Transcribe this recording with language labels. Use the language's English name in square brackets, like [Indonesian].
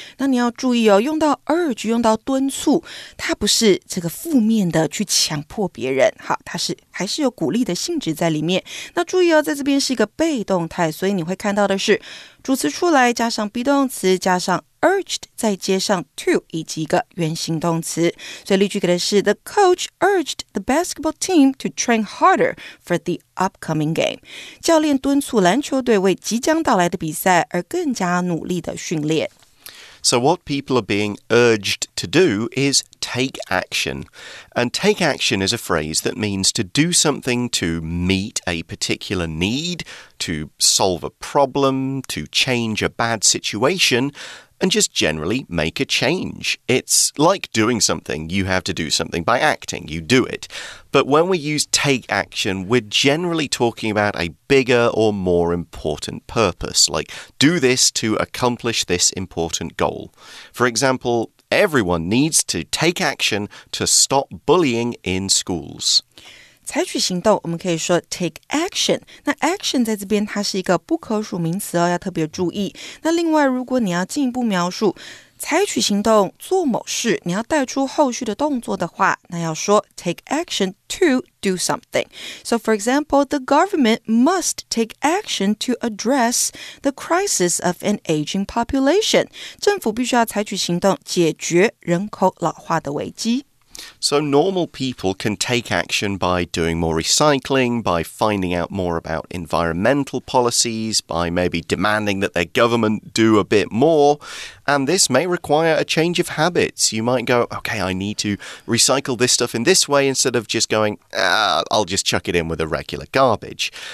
[Chinese] 那你要注意哦，用到 urge， 用到敦促，它不是这个负面的去强迫别人，好，它是还是有鼓励的性质在里面。那注意哦，在这边是一个被动态，所以你会看到的是主词出来加上 be 动词加上 urged， 再接上 to 以及一个原形动词。所以例句给的是 [English] The coach urged the basketball team to train harder for the upcoming game。 [Chinese] 教练敦促篮球队为即将到来的比赛而更加努力的训练。 [English] So what people are being urged to do is take action. And take action is a phrase that means to do something to meet a particular need, to solve a problem, to change a bad situation, and just generally make a change. It's like doing something. You have to do something by acting. You do it. But when we use take action, we're generally talking about a bigger or more important purpose, like do this to accomplish this important goal. For example, everyone needs to take action to stop bullying in schools. [Chinese] 采取行动，我们可以说 take action。那 action 在这边它是一个不可数名词哦，要特别注意。那另外，如果你要进一步描述采取行动做某事，你要带出后续的动作的话，那要说 [English] take action to do something。 So for example, the government must take action to address the crisis of an aging population。 [Chinese] 政府必须要采取行动解决人口老化的危机。 [English] So normal people can take action by doing more recycling, by finding out more about environmental policies, by maybe demanding that their government do a bit more. And this may require a change of habits. You might go, okay, I need to recycle this stuff in this way instead of just going, I'll just chuck it in with the regular garbage.